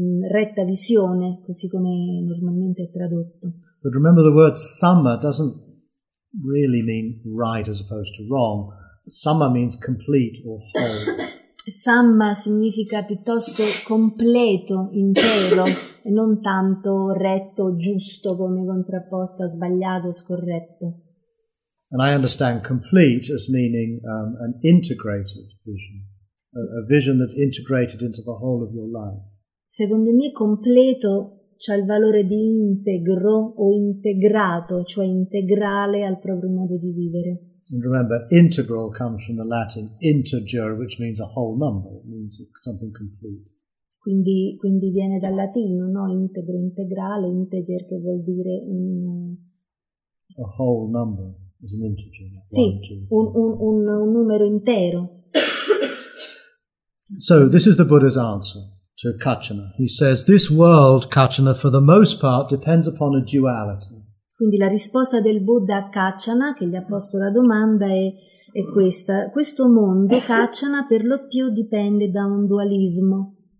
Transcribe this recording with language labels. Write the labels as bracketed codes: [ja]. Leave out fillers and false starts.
[it] Retta visione, così come normalmente è tradotto. [en] But remember the word Samma doesn't really mean right as opposed to wrong. Samma means complete or whole. [it] Samma significa piuttosto completo, intero, e non tanto retto, giusto, come contrapposto a sbagliato, scorretto. [en] And I understand complete as meaning an integrated vision, a vision that's integrated into the whole of your life. [it] Secondo me completo c'ha il valore di integro o integrato, cioè integrale al proprio modo di vivere. [en] And remember, integral comes from the Latin integer, which means a whole number. It means something complete. [it] Quindi viene dal latino, no? Integro, integrale, integer, che vuol dire [en] a whole number is an integer. [it] Sì, un numero intero. [en] So this is the Buddha's answer to Kachana. He says, this world, Kachana, for the most part, depends upon a duality. [it] Quindi la risposta del Buddha a Kachana, che gli ha posto la domanda, è questa. Questo mondo, Kachana, per lo più dipende da un dualismo.